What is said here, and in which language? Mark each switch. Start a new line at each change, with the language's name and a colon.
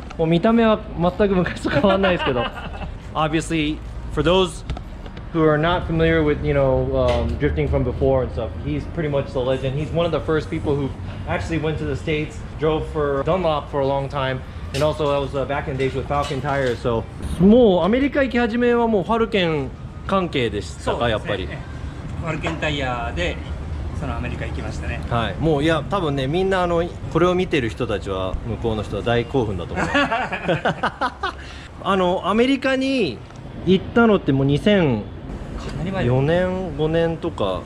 Japanese: もう見た目は全く昔と変わんないですけど。
English: Obviously, for those who are not familiar with, you know, drifting from before and stuff. He's pretty much the legend. He's one of the first people who actually went to the States, drove for Dunlop for a long time, and also that was back in the days with Falcon tires, so.
Japanese: もうアメリカ行き始めはもうハルケン関係でしたか、やっぱり。ハルケンタイヤでそのアメリカ行きましたね。はい。もういや、多分ね、みんなあの、これを見てる人たちは、向こうの人は大興奮だと思う。あの、アメリカに行ったのってもう2004年5年とか